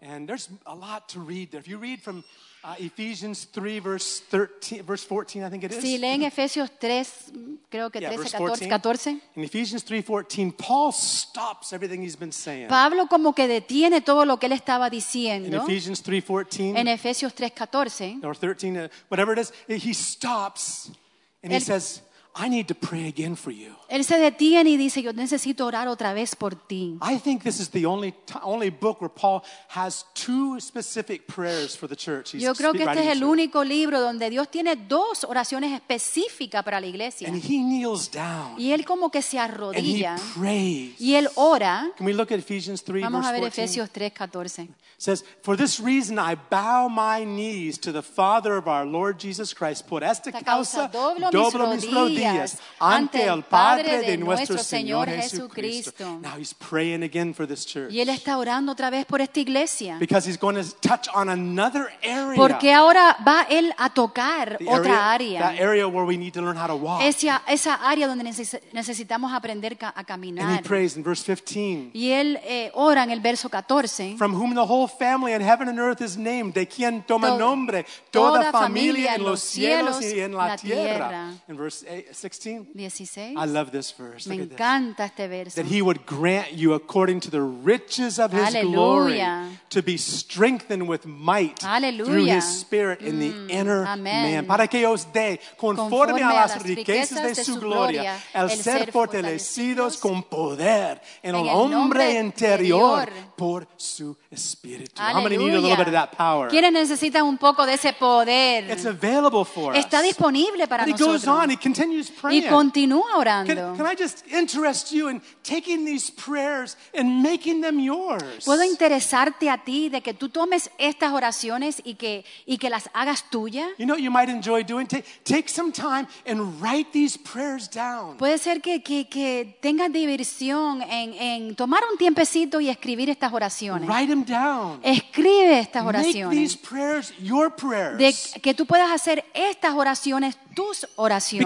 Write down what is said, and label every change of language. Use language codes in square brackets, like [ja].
[en] And there's a lot to read there. If you read from Ephesians 3 verse 13 verse 14, I think it is. [es] Si leen Efesios 3, creo que 13, 14. [en] In Ephesians 3:14, Paul stops everything he's been saying. [es] Pablo como que detiene todo lo que él estaba diciendo. [en] In Ephesians 3:14. [es] En Efesios 3:14. [en] Or 13, whatever it is, he stops and he says, I need to pray again for you. [es] Él se detiene y dice, yo necesito orar otra vez por ti. [en] I think this is the only book where Paul has two specific prayers for the church. [es] Yo creo que este es el único libro donde Dios tiene dos oraciones específicas para la iglesia. [en] And he kneels down. [es] Y él como que se arrodilla. [en] And he prays. [es] Y él ora. [en] Can we look at Ephesians 3, [es] Vamos a ver Efesios 3:14. [en] Says, for this reason I bow my knees to the Father of our Lord Jesus Christ. [es] Por esta causa doblo mis rodillas. Ante el Padre de nuestro Señor Jesucristo. [en] Now he's praying again for this church. [es] Y él está orando otra vez por esta iglesia. [en] Because he's going to touch on another area. [es] Porque ahora va él a tocar otra área. [en] That area where we need to learn how to walk. [es] Esa área donde necesitamos aprender a caminar. [en] And he prays in verse 15. [es] Y él ora en el verso 14. [en] From whom the whole family in heaven and earth is named. [es] De quien toma nombre toda familia en los cielos y en la tierra. [en] In verse 16. I love this verse. [es] Me encanta este verso. [en] That he would grant you according to the riches of his glory to be strengthened with might through his spirit in the inner man. [es] Para que os dé conforme a las riquezas de su gloria el ser fortalecidos con poder en el hombre interior por su espíritu. [en] How many need a little bit of that power? [es] ¿Quiénes necesitan un poco de ese poder? [en] It's available for us. [es] Está disponible para nosotros. [en] But he goes on. He continues. [es] Y continúa orando. [en] Can I just interest you in taking these prayers and making them yours? [es] ¿Puedo interesarte a ti de que tú tomes estas oraciones y que las hagas tuya? [en] You know what you might enjoy doing? Take some time and write these prayers down. [es] Puede ser que tengas diversión en tomar un tiempecito y escribir estas oraciones. [en] Write them down. [es] Escribe estas oraciones. [en] Make these prayers your prayers. [es] De que tú puedas hacer estas oraciones tus oraciones.